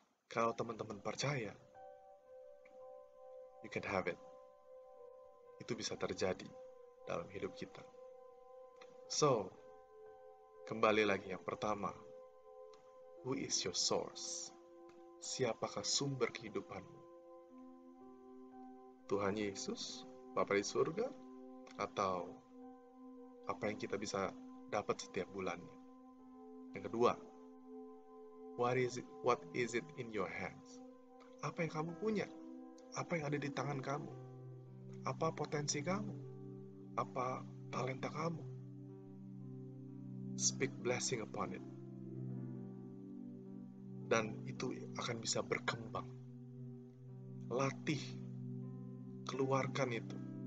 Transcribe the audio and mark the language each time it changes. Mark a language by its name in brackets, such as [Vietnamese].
[Indonesian] Kalau teman-teman percaya, [English] you can have it. [Indonesian] Itu bisa terjadi dalam hidup kita. So, kembali lagi yang pertama. [English] Who is your source? [Indonesian] Siapakah sumber kehidupanmu? Tuhan Yesus, Bapa di surga, atau apa yang kita bisa dapat setiap bulannya? Yang kedua, [English] what is it in your hands? [Indonesian] Apa yang kamu punya? Apa yang ada di tangan kamu? Apa potensi kamu? Apa talenta kamu? [English] Speak blessing upon it. [Indonesian] Dan itu akan bisa berkembang. Latih. Keluarkan itu.